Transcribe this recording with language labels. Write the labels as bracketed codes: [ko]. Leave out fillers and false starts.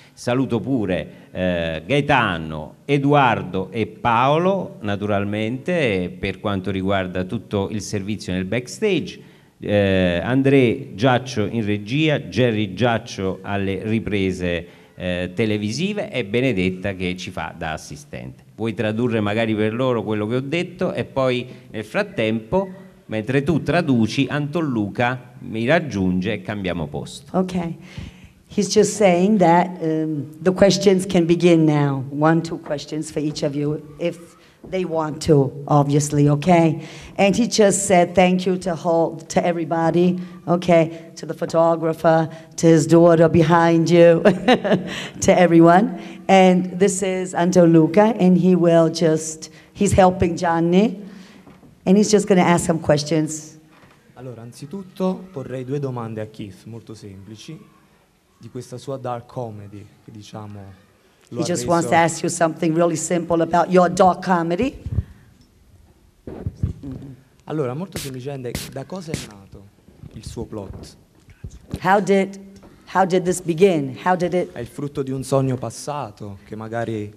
[it] Saluto pure Gaetano, Edoardo e Paolo, naturalmente, per quanto riguarda tutto il servizio nel backstage, André Giaccio in regia, Jerry Giaccio alle riprese televisive, e Benedetta che ci fa da assistente. Vuoi tradurre magari per loro quello che ho detto, e poi nel frattempo, mentre tu traduci, Anton Luca mi raggiunge e cambiamo posto. [en] Okay. He's just saying that the questions can begin now. One, two questions for each of you, if they want to, obviously, okay? And he just said thank you to everybody, okay? To the photographer, to his daughter behind you, to everyone. And this is Anton Luca, and he's helping Gianni. And he's just going to ask some questions. [it] Allora, anzitutto porrei due domande a Keith, molto semplici, di questa sua dark comedy, che diciamo. [en] He just wants to ask you something really simple about your dark comedy. [it] Allora, molto semplicemente, da cosa è nato il suo plot? [en] How did this begin? How did it? [it] È il frutto di un sogno passato che magari.